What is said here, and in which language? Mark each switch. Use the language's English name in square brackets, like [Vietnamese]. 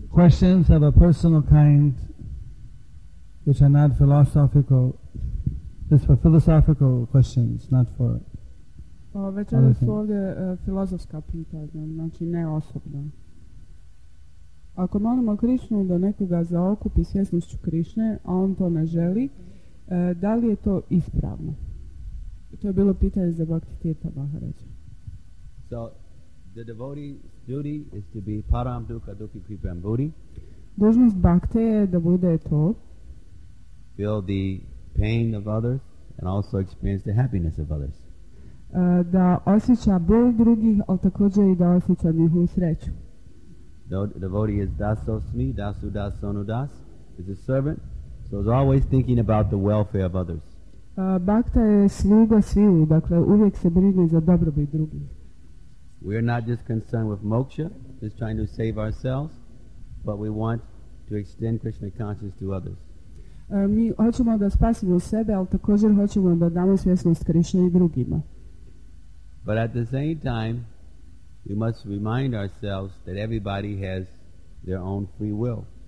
[English] Questions of a personal kind which are not philosophical, just for philosophical questions, not for [Croatian] Večera su ovdje filozofska pitanja, znači ne osobna. Ako molimo Krišnu da nekoga zaokupi svjesnošću Krišne, a on to ne želi, da li je to ispravno? To je bilo pitanje za Bhakti Tirtha Maharaja. [English] So, the devotee's duty is to be [Sanskrit] param dukha dukhi kripam buddhi. [Croatian] Dužnost bhakte je da bude to. [English] Feel the pain of others and also experience the happiness of others. [Croatian] Da osjeća bol drugih, ali također i da osjeća njihovu sreću. [English] Devotee is [Sanskrit] daso smi, dasu dasonu das, [English] is a servant, so is always thinking about the welfare of others. [Croatian] Bhakta je sluga sviju, dakle uvijek se brine za dobrobit drugih. [English] We are not just concerned with moksha, just trying to save ourselves, but we want to extend Krishna consciousness to others. [Croatian] Mi hoćemo da spasimo sebe, ali također hoćemo da damo svjesnost Krišne i drugima. [English] But at the same time, we must remind ourselves that everybody has their own free will.